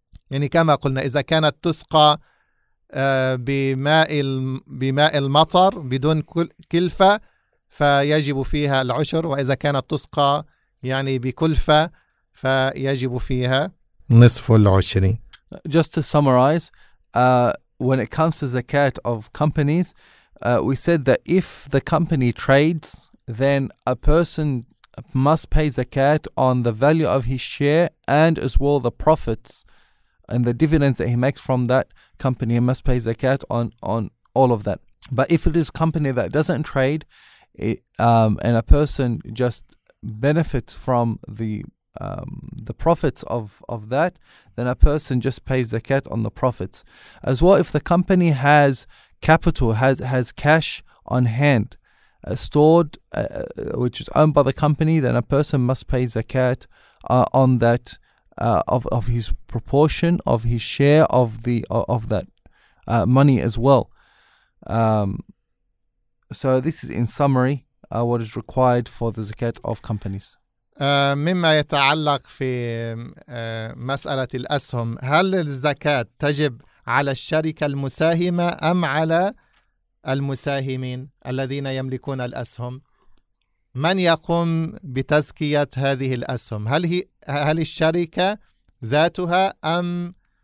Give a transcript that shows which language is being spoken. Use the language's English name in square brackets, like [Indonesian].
[Arabic] يعني كما قلنا إذا كانت تسقى بماء المطر بدون كلفة فيجب فيها العشر، وإذا كانت تسقى يعني بكلفة فيجب فيها نصف العشر. [English] Just to summarize, when it comes to zakat of companies, we said that if the company trades, then a person must pay zakat on the value of his share and as well the profits and the dividends that he makes from that company. He must pay zakat on all of that. But if it is a company that doesn't trade, and a person just benefits from the profits of that, then a person just pays zakat on the profits. As well, if the company has capital, has cash on hand, stored, which is owned by the company, then a person must pay zakat on that of his proportion, of his share of that money as well. So this is in summary what is required for the zakat of companies. [Arabic] مما يتعلق في مسألة الأسهم، هل الزكاة تجب على الشركة المساهمة أم على المساهمين الذين يملكون الأسهم؟ من يقوم بتزكية هذه الأسهم؟ هل الشركة ذاتها أم